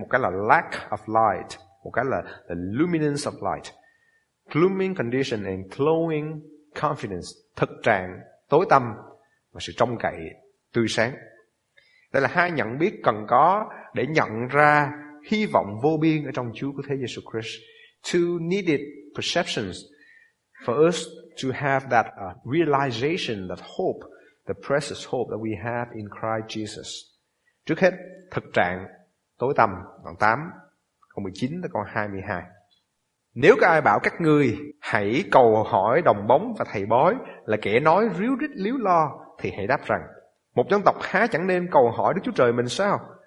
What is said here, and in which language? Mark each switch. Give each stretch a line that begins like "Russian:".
Vietnamese: Một cái là
English: lack of light,
Vietnamese: một cái là
English: the luminance of light. Glooming condition and glowing confidence,
Vietnamese: thực trạng tối tăm và sự trông cậy tươi sáng. Đây là hai nhận biết cần có để nhận ra hy vọng vô biên ở trong Chúa của thế Jesus Christ.
English: Two needed perceptions for us to have that realization, that hope, the precious hope that we have in Christ Jesus.
Vietnamese: Trước hết, thực trạng tối tăm, đoạn 8, câu 19 tới câu 22. Nếu có ai bảo các ngươi hãy cầu hỏi đồng bóng và thầy bói là kẻ nói ríu rít líu lo, thì hãy đáp rằng một dân tộc há chẳng nên cầu hỏi Đức Chúa Trời mình sao?